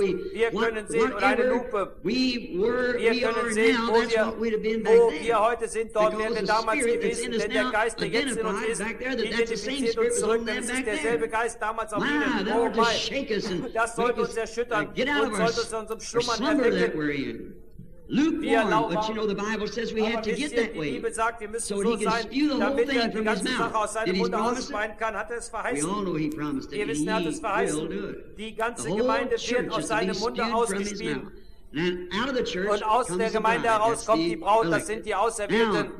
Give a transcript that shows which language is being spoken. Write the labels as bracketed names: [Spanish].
[German] Wir können sehen, oder eine Lupe. Wir können sehen, wo wir heute sind, dort wären wir damals gewesen, denn der Geist, der jetzt in uns ist, identifiziert uns zurück, denn es ist derselbe Geist damals auf ihnen. Oh mein, das sollte uns erschüttern und sollte uns unserem Schlummern erwecken. [English] But you know the Bible says we have to get that way. So he can spew the whole thing from his mouth. Did he promise it? We all know he promised it. And he will do it. The whole church is to be spewed from his mouth. Out of the church [German] und aus [English] comes [German] der Gemeinde [English] the [German] heraus kommt die Braut, das sind die Auserwählten.